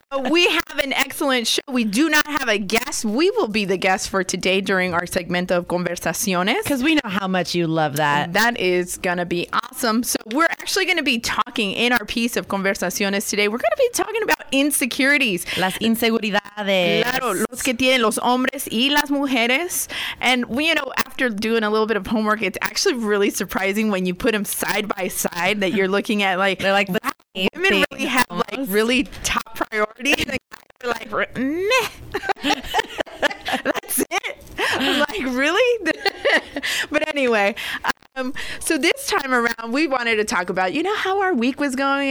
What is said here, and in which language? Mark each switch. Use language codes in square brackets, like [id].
[en] We have an excellent show. We do not have a guest. We will be the guest for today during our segment of conversaciones. Because we know how much you love that. That is going to be awesome. So we're actually going to be talking in our piece of conversaciones today. We're going to be talking about insecurities. [es] Las inseguridades. Claro, los que tienen los hombres y las mujeres. [en] And, you know, after doing a little bit of homework, it's actually really surprising when you put them side by side that you're looking at, like, they're like, wow, women really have, almost, like, really top priorities. They're like, meh. That's it. Like, really? But anyway, so this time around, we wanted to talk about, you know, how our week was going.